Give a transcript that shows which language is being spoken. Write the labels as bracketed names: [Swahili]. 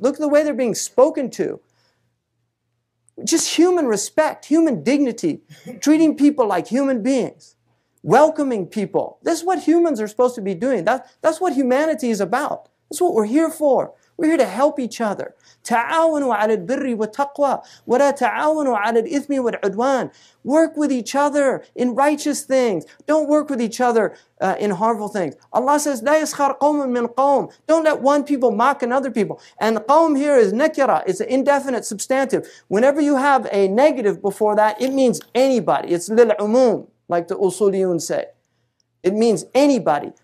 [English] Look at the way they're being spoken to. Just human respect, human dignity, treating people like human beings, welcoming people. This is what humans are supposed to be doing. That's what humanity is about. That's what we're here for. We're here to help each other. [Arabic] تَعَاوَنُوا عَلَى الْبِرِّ وَتَقْوَى وَلَا تَعَاوَنُوا عَلَى الْإِثْمِ وَالْعُدْوَانِ [English] Work with each other in righteous things. Don't work with each other in harmful things. Allah says, [Arabic] لَا يَسْخَرْ قَوْمٌ مِّنْ قَوْمٍ [English] Don't let one people mock another people. And قَوْم here is نَكِرَة. It's an indefinite substantive. Whenever you have a negative before that, it means anybody. It's لِلْعُمُومِ like the Usuliyun say. It means anybody.